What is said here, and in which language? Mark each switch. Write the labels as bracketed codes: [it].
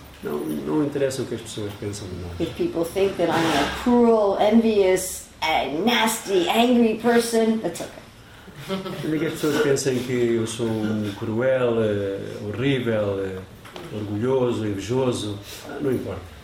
[pt] Não interessa o que as pessoas pensam de nós. [en] If people think that I'm a cruel, envious, nasty, angry person, that's okay. [pt] Ainda que as pessoas pensem que eu sou um cruel, horrível, orgulhoso, invejoso, não importa.